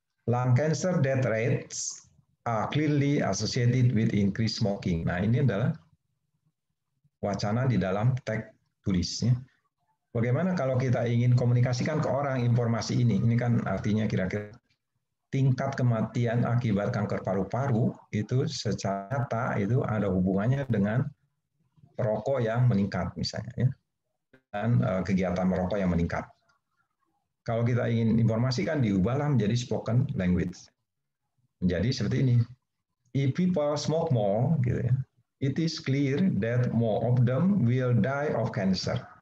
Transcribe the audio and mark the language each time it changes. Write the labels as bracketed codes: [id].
[en] Lung cancer death rates are clearly associated with increased smoking. [id] Nah, ini adalah wacana di dalam teks tulisnya. Bagaimana kalau kita ingin komunikasikan ke orang informasi ini? Ini kan artinya kira-kira tingkat kematian akibat kanker paru-paru itu secara nyata itu ada hubungannya dengan perokok yang meningkat misalnya ya. Dan kegiatan merokok yang meningkat. Kalau kita ingin informasikan, diubahlah menjadi spoken language. Menjadi seperti ini. [en] If people smoke more, [id] gitu ya, [en] it is clear that more of them will die of cancer.